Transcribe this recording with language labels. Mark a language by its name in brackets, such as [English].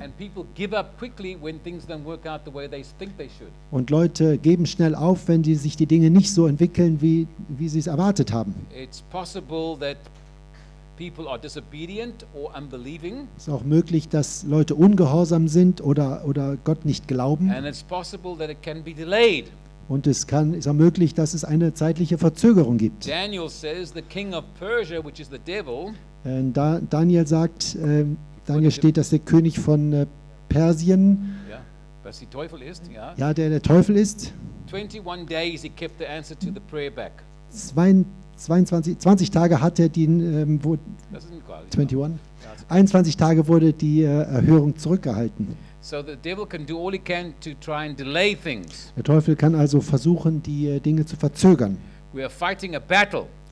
[English] And people give up quickly when things don't work out the way they think they should. [German] Und Leute geben schnell auf, wenn sich die Dinge nicht so entwickeln, wie sie es erwartet haben. [English] It's possible that people are disobedient or unbelieving. [German] Es ist auch möglich, dass Leute ungehorsam sind oder Gott nicht glauben. [English] And it's possible that it can be delayed. [German] Und ist auch möglich, dass es eine zeitliche Verzögerung gibt. [English] Daniel says the king of Persia, which is the devil. [German] Daniel steht, dass der König von Persien, was der Teufel ist, der Teufel ist. 21 days he kept the answer to the prayer back. 22 Tage hat er Tage wurde die Erhörung zurückgehalten. Der Teufel kann also versuchen, die Dinge zu verzögern. [English] We are fighting a battle.